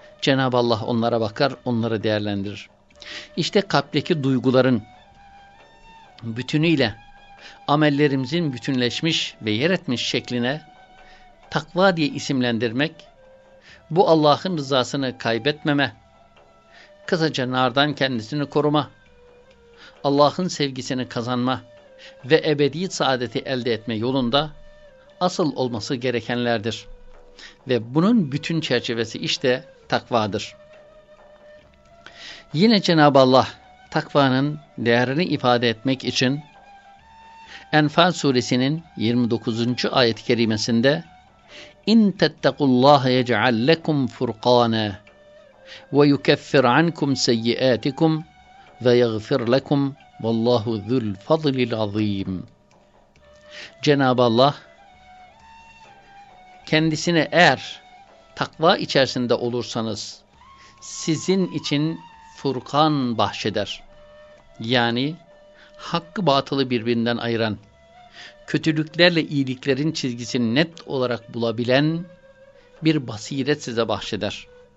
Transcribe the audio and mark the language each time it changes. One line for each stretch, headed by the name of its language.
Turkish: Cenab-ı Allah onlara bakar, onları değerlendirir. İşte kalpteki duyguların bütünüyle amellerimizin bütünleşmiş ve yer etmiş şekline takva diye isimlendirmek, bu Allah'ın rızasını kaybetmeme, kısaca nardan kendisini koruma, Allah'ın sevgisini kazanma ve ebedi saadeti elde etme yolunda asıl olması gerekenlerdir. Ve bunun bütün çerçevesi işte takvadır. Yine Cenab-ı Allah takvanın değerini ifade etmek için Enfal suresinin 29. ayet-i kerimesinde
Arabic: اِنْ تَتَّقُ اللّٰهَ يَجْعَلْ لَكُمْ فُرْقَانًا وَيُكَفِّرْ عَنْكُمْ سَيِّئَاتِكُمْ وَيَغْفِرْ لَكُمْ وَاللّٰهُ ذُو الْفَضْلِ الْعَظِيمِ.
Turkish: Cenab-ı Allah kendisine eğer takva içerisinde olursanız, sizin için Furkan bahşeder. Yani hakkı batılı birbirinden ayıran, kötülüklerle iyiliklerin çizgisini net olarak bulabilen bir basiret size bahşeder.